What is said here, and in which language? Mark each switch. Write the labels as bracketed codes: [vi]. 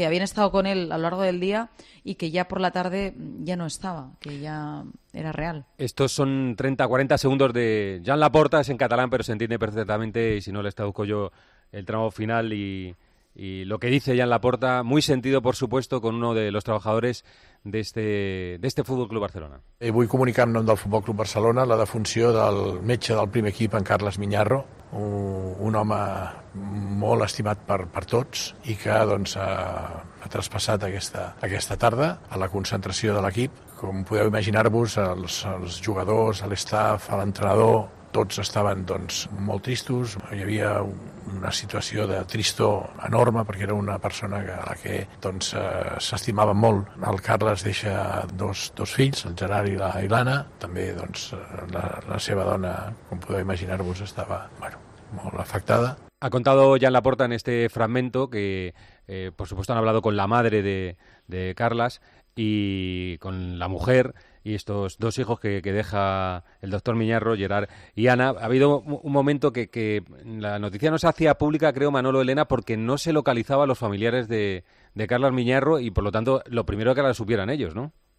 [es] Que habían estado con él a lo largo del día y que ya por la tarde ya no estaba, que ya era real. Estos son 30-40 segundos de Joan Laporta, es en catalán, pero se entiende perfectamente, y si no les traduzco yo el tramo final y lo que dice Joan Laporta, muy sentido, por supuesto, con uno de los trabajadores de este Fútbol Club Barcelona. [ca] Vull comunicar en nom del Fútbol Club Barcelona la defunció del metge del primer equip, en Carles Miñarro, un home molt estimat per tots i que doncs ha traspassat aquesta tarda a la concentració de l'equip. Com podeu imaginar-vos, els jugadors, l'staff, l'entrenador, tots estaven doncs molt tristos. Hi havia una situació de tristor enorme perquè era una persona a la que doncs s'estimava molt. El Carles deixa dos fills, el Gerard i l'Anna. També doncs la seva dona, com podeu imaginar-vos, estava, bueno, molt afectada. [es] Ha contado Joan Laporta en este fragmento que, por supuesto, han hablado con la madre de Carles y con la mujer y estos dos hijos que deja el doctor Miñarro, Gerard y Ana. Ha habido un momento que la noticia no se hacía pública, creo, Manolo, Elena, porque no se localizaba a los familiares de Carles Miñarro y, por lo tanto, lo primero que la supieran ellos, ¿no?